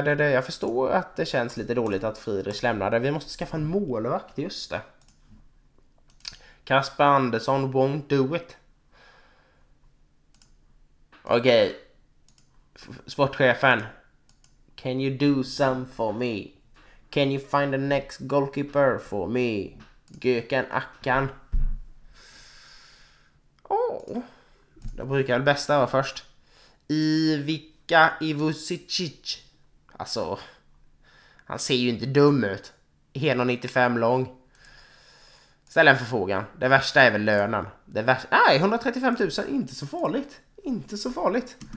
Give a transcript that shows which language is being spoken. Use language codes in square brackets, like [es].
[sv] Jag förstår att det känns lite dåligt att Friedrich lämnade. Vi måste skaffa en målvakt, just det. [en] Kasper Andersson won't do it. [sv] Okej. Sportchefen. [en] Can you do some for me? Can you find the next goalkeeper for me? [sv] Göken Ackan. Det brukar väl bästa vara först. Ivica Ivusicic. Alltså, han ser ju inte dum ut. 1,95 lång. Ställ en förfrågan. Det värsta är väl lönen. Det värsta. Nej, 135 000. Inte så farligt.